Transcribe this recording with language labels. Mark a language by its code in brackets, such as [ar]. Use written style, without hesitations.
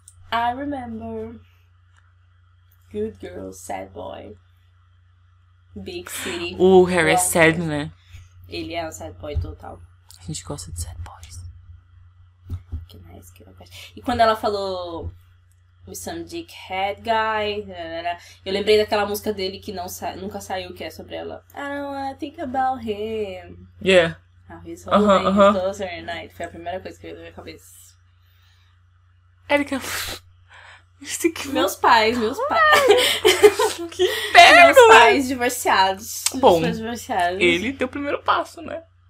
[en] I remember. Good girl, sad boy. Big city. [pt] Harry é sad, né? Ele é um sad boy total. A gente gosta de sad boys. Que mais que eu gosto. E quando ela falou [en] with some dickhead guy, [pt] eu lembrei daquela música dele que não nunca saiu, que é sobre ela. [en] I don't wanna think about him. Yeah. How he's holding me closer at night. [pt] Foi a primeira coisa que veio na minha cabeça. Erika, meus pais. Que inferno! Meus pais divorciados. Bom, meus pais divorciados. Ele deu o primeiro passo, né?